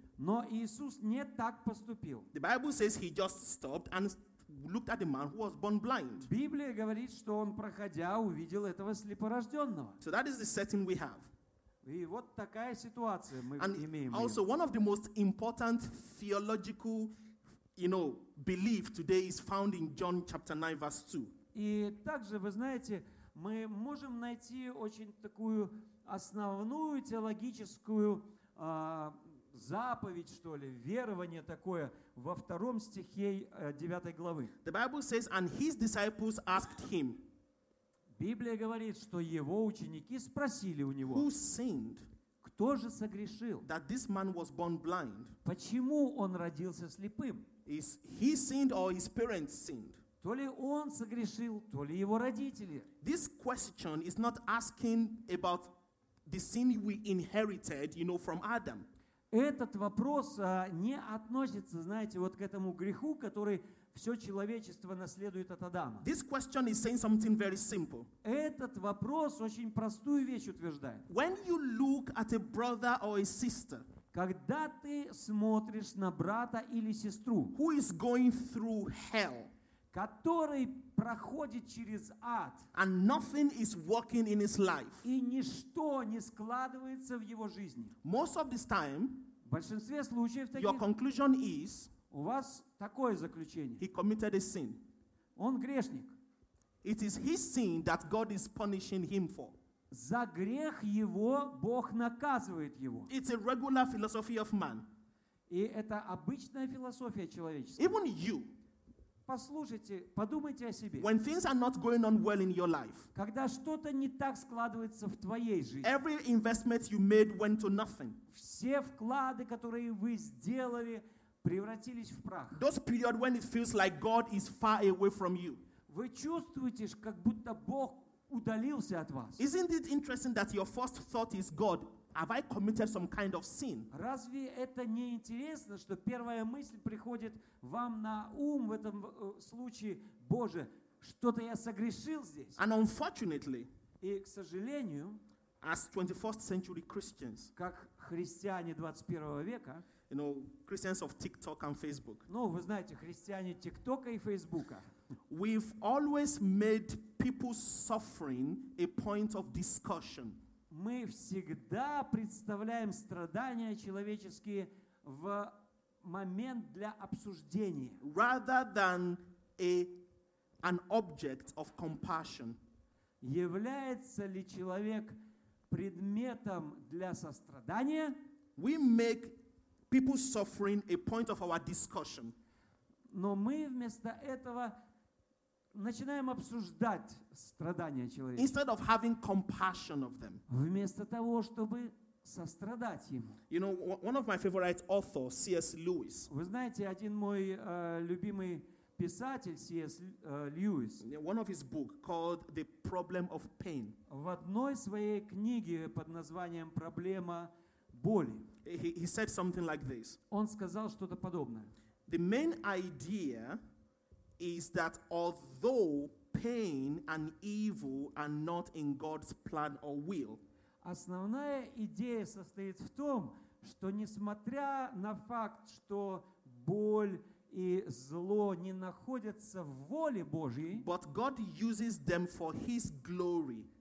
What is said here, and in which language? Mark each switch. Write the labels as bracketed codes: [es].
[ru] Но Иисус не так поступил. [en] The Bible says he just stopped and looked at the man who was born blind. [ru] Библия говорит, что он проходя увидел этого слепорожденного. [en] So that is the setting we have. [ru] И вот такая ситуация мы [en] and [ru] имеем. [en] Also, one of the most important theological, you know, belief today is found in John chapter 9, verse 2. [ru] И также, вы знаете, мы можем найти очень такую основную теологическую заповедь, что ли, верование такое во втором стихе 9 главы. [en] The Bible says, and his disciples asked him. [ru] Библия говорит, что его ученики спросили у него. [en] Who sinned? [ru] Кто же согрешил? [en] That this man was born blind. [ru] Почему он родился слепым? [en] Is he sinned or his parents sinned? [ru] То ли он согрешил, то ли его родители. [en] This question is not asking about the sin we inherited, you know, from Adam. [ru] Этот вопрос не относится, знаете, вот к этому греху, который все человечество наследует от Адама. [en] This question is saying something very simple. [ru] Этот вопрос очень простую вещь утверждает. [en] When you look at a brother or a sister, [ru] когда ты смотришь на брата или сестру, [en] who is going through hell, [ru] который проходит через ад, [en] and nothing is working in his life, [ru] и ничто не складывается в его жизни. [en] Most of this time, [ru] в большинстве случаев таких, [en] your conclusion is, [ru] у вас такое заключение. [en] He committed a sin. [ru] Он грешник. [en] It is his sin that God is punishing him for. [ru] За грех его Бог наказывает его. [en] It's a regular philosophy of man. [ru] И это обычная философия человеческая. [en] Even you, [ru] Послушайте, подумайте о себе. [en] When things are not going on well in your life, [ru] когда что-то не так складывается в твоей жизни, [en] every investment you made went to nothing. [ru] Все вклады, которые вы сделали, превратились в прах. [en] Those periods when it feels like God is far away from you. [ru] Вы чувствуете, как будто Бог удалился от вас. [en] Isn't it interesting that your first thought is, God, have I committed some kind of sin? [ru] Разве это не интересно, что первая мысль приходит вам на ум в этом случае, Боже, что-то я согрешил здесь? [en] And unfortunately, [ru] и, к сожалению, [en] as 21st century Christians, [ru] как христиане 21 века, [en] you know, Christians of TikTok and Facebook, [ru] ну, вы знаете, христиане TikTok и Facebook, [en] we've always made people's suffering a point of discussion. [ru] Мы всегда представляем страдания человеческие в момент для обсуждения. [en] Rather than an object of compassion. [ru] Является ли человек предметом для сострадания? [en] We make people's suffering a point of our discussion. [ru] Но мы вместо этого начинаем обсуждать страдания человека. [en] Instead of having compassion of them. [ru] Вместо того, чтобы сострадать им. [en] You know, one of my favorite authors, C.S. Lewis. [ru] Вы знаете, один мой любимый писатель, C.S. Lewis. [en] One of his books called The Problem of Pain. [ru] В одной своей книге под названием «Проблема боли». [en] He said something like this. [ru] Он сказал что-то подобное. [en] The main idea is that although pain and evil are not in God's plan or will, [ru] основная идея состоит в том, что несмотря на факт, что боль и зло не находятся в воле Божьей, [en] but God uses them for His glory.